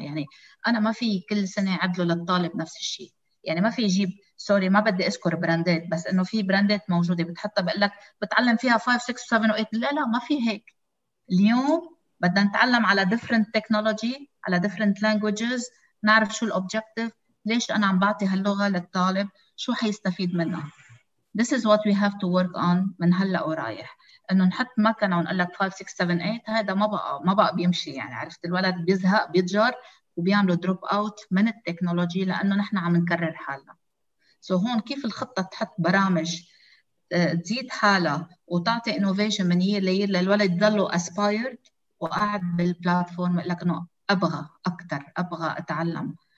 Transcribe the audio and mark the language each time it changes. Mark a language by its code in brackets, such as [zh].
[ar] يعني انا ما في كل سنه عدله للطالب نفس الشيء، يعني ما في يجيب سوري ما بدي اذكر براندات، بس انه في براندات موجوده بتحطها بقول لك بتعلم فيها 5 6 7 8، لا لا ما في هيك. اليوم بدنا نتعلم على different technology، على different languages، نعرف شو الobjective، ليش أنا عم بعطي هاللغة للطالب، شو حيستفيد منها. [en] This is what we have to work on [ar] من هلأ ورايح. إنه نحط مكنة ونقول لك 5 6 7 8 هذا ما بقى بيمشي. يعني عرفت الولد بيزهق بيتجر وبيعملوا drop out من التكنولوجي لأنه نحن عم نكرر حالنا. So هون كيف الخطة تحط برامج تزيد حالة وتعطي innovation من year لير للولد يضلوا aspired وقاعد بالبلاتفورم يقول لك انه ابغى اكثر ابغى اتعلم.